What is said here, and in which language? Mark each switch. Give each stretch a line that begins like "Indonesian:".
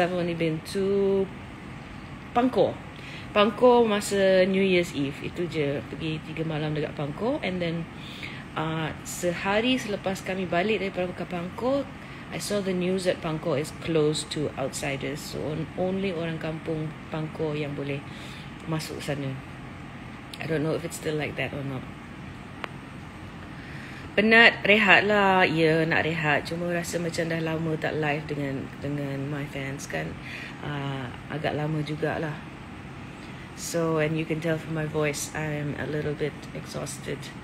English: I've only been to Pangkor. Pangkor masa New Year's Eve.
Malay: Itu je, pergi 3 malam dekat Pangkor.
English: And then
Malay: sehari selepas kami balik daripada Pangkor,
English: I saw the news that Pangkor is closed to outsiders. So only
Malay: orang kampung Pangkor yang boleh masuk sana.
English: I don't know if it's still like that or not.
Malay: Penat, rehat lah. Ya, nak rehat. Cuma rasa macam dah lama tak live dengan
English: my fans
Malay: kan. Agak lama jugalah.
English: So, and you can tell from my voice, I'm a little bit exhausted.